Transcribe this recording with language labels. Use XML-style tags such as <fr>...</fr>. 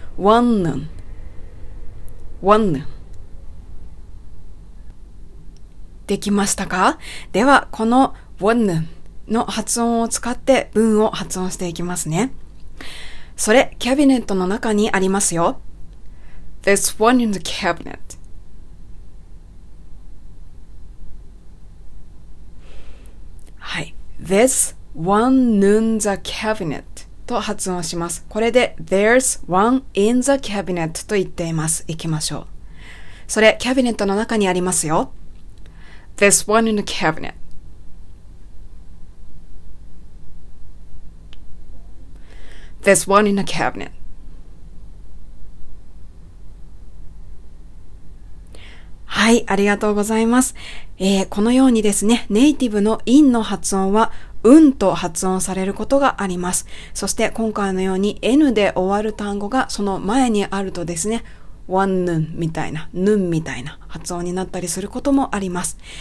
<ja>ワンヌン、ワンヌン。できましたか？では、このワンヌンの発音を使って文を発音していきますね。それ、キャビネットの中にありますよ。</ja> <en>There's one in the cabinet.</en> <ja>はい。This.</ja> <en>One in the cabinet</en> <ja>と発音します。これで</ja> <en>There's one in the cabinet</en> <ja>と言っています。行きましょう。それ、キャビネットの中にありますよ。</ja> <en>There's one in the cabinet. There's one in the cabinet.</en> <ja>はい、ありがとうございます。このようにですね、ネイティブの in の発音はうんと発音されることがあります。そして今回のように N で終わる単語がその前にあるとですね、ワンヌンみたいな、ヌンみたいな発音になったりすることもあります。</ja>